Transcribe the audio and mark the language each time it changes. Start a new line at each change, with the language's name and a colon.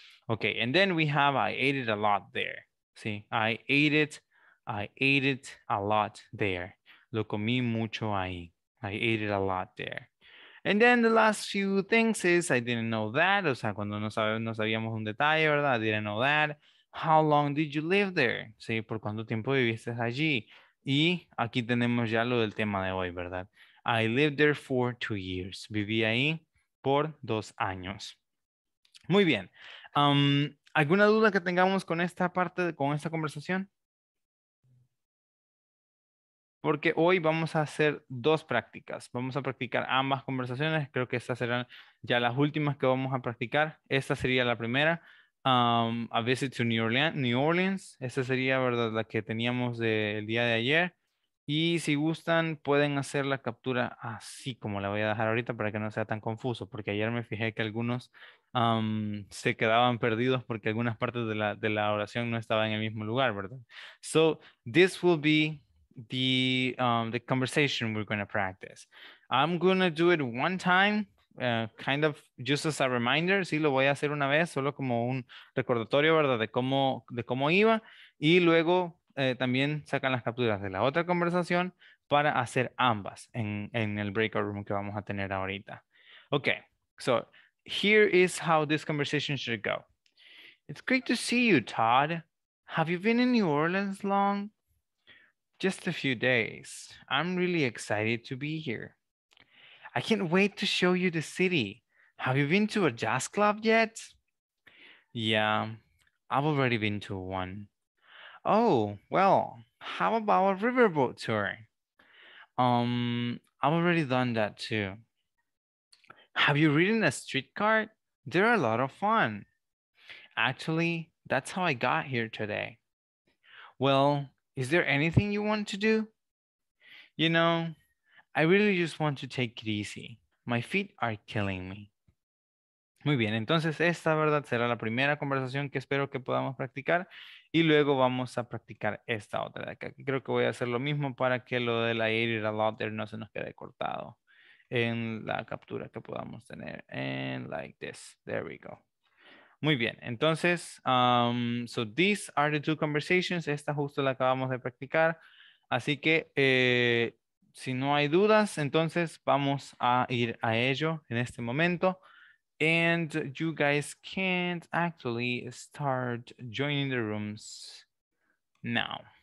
English: Okay, and then we have I ate it a lot there,
Spanish: ¿sí?
English: I ate it a lot there.
Spanish: Lo comí mucho ahí.
English: I ate it a lot there. And then the last few things is I didn't know that.
Spanish: O sea, cuando no sabíamos un detalle, ¿verdad?
English: I didn't know that. How long did you live there?
Spanish: Sí, ¿por cuánto tiempo viviste allí? Y aquí tenemos ya lo del tema de hoy, ¿verdad?
English: I lived there for 2 years.
Spanish: Viví ahí por 2 años. Muy bien. ¿Alguna duda que tengamos con esta parte, con esta conversación? Porque hoy vamos a hacer dos prácticas. Vamos a practicar ambas conversaciones. Creo que estas serán ya las últimas que vamos a practicar. Esta sería la primera.
English: A visit to New Orleans.
Spanish: Esta sería, ¿verdad?, la que teníamos el día de ayer. Y si gustan, pueden hacer la captura así como la voy a dejar ahorita para que no sea tan confuso. Porque ayer me fijé que algunos se quedaban perdidos porque algunas partes de la oración no estaban en el mismo lugar, ¿verdad?
English: So, this will be the conversation we're going to practice. I'm going to do it one time, kind of just as a reminder.
Spanish: Sí, lo voy a hacer una vez, solo como un recordatorio, ¿verdad? De cómo iba. Y luego también sacan las capturas de la otra conversación para hacer ambas en el breakout room que vamos a tener ahorita.
English: Okay, so here is how this conversation should go. It's great to see you, Todd. Have you been in New Orleans long? Just a few days. I'm really excited to be here. I can't wait to show you the city. Have you been to a jazz club yet? Yeah, I've already been to one. Oh, well, how about a riverboat tour? I've already done that too. Have you ridden a streetcar? They're a lot of fun. Actually, that's how I got here today. Well, is there anything you want to do? You know, I really just want to take it easy. My feet are killing me.
Spanish: Muy bien, entonces esta, ¿verdad?, será la primera conversación que espero que podamos practicar. Y luego vamos a practicar esta otra de acá. Creo que voy a hacer lo mismo para que lo de la air a lot there no se nos quede cortado en la captura que podamos tener.
English: And like this. There we go.
Spanish: Muy bien, entonces,
English: so these are the two conversations.
Spanish: Esta justo la acabamos de practicar. Así que, si no hay dudas, entonces vamos a ir a ello en este momento.
English: And you guys can't actually start joining the rooms now.